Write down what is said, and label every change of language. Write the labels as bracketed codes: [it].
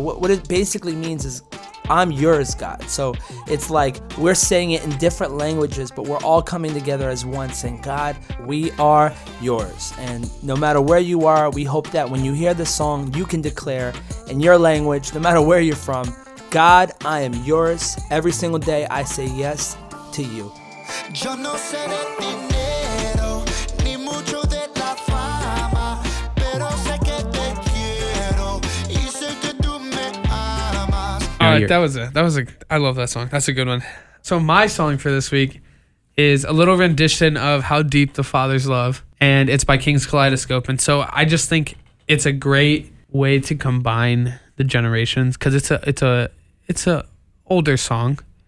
[en] What it basically means is, I'm yours, God. So it's like we're saying it in different languages, but we're all coming together as one saying, God, we are yours. And no matter where you are, we hope that when you hear the song, you can declare in your language, no matter where you're from, God, I am yours. Every single day, I say yes to you. [es] Yo no sé de dinero, ni mucho de la fama, pero sé que te quiero, y sé que tú me amas. [en] All right, that was I love that song. That's a good one. So my song for this week is a little rendition of How Deep the Father's Love, and it's by King's Kaleidoscope. And so I just think it's a great way to combine the generations, because it's a older song,